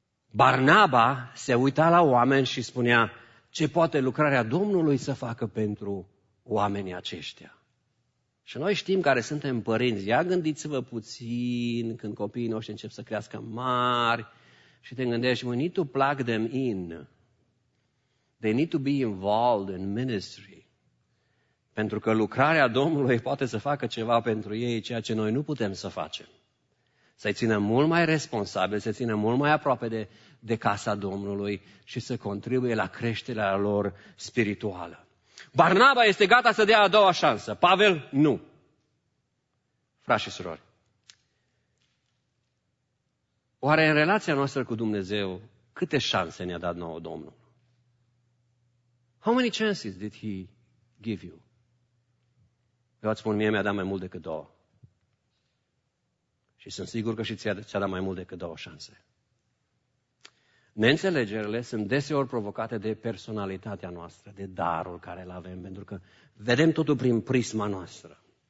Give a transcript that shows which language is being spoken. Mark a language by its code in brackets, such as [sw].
[ro] Barnaba se uita la oameni și spunea, ce poate lucrarea Domnului să facă pentru oamenii aceștia? Și noi știm care suntem părinți. Ia gândiți-vă puțin când copiii noștri încep să crească mari și te gândești, [en] we need to plug them in. They need to be involved in ministry. [ro] Pentru că lucrarea Domnului poate să facă ceva pentru ei, ceea ce noi nu putem să facem. Să-i țină mult mai responsabil, să-i țină mult mai aproape de casa Domnului și să contribuie la creșterea lor spirituală. Barnaba este gata să dea a doua șansă. Pavel, nu. Frați și surori, oare în relația noastră cu Dumnezeu, câte șanse ne-a dat nouă Domnul? [en] How many chances did he give you? [ro] Eu îți spun, mie mi-a dat mai mult decât două. Și sunt sigur că și ți-a dat mai mult decât două șanse. Neînțelegerile sunt deseori provocate de personalitatea noastră, de darul care îl avem, pentru că vedem totul prin prisma noastră.